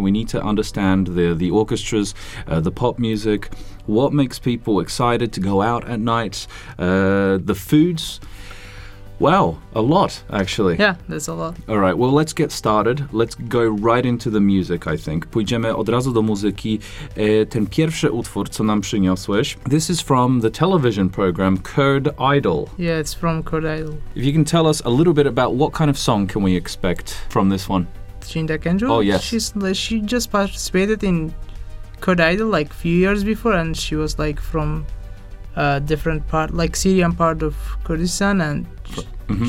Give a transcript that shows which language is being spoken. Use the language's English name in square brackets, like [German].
[English] We need to understand the orchestras, the pop music, what makes people excited to go out at night, the foods. Wow, a lot, actually. Yeah, there's a lot. All right, well, let's get started. Let's go right into the music, I think. [Polish] Pójdziemy od razu do muzyki. Ten pierwszy utwór, co nam przyniosłeś, [English] this is from the television program Kurd Idol. Yeah, it's from Kurd Idol. If you can tell us a little bit about what kind of song can we expect from this one? Trinda Kendrick. Oh, yes. She just participated in Kurd Idol, like, a few years before, and she was, like, from a different part, like, Syrian part of Kurdistan, and... Mm-hmm.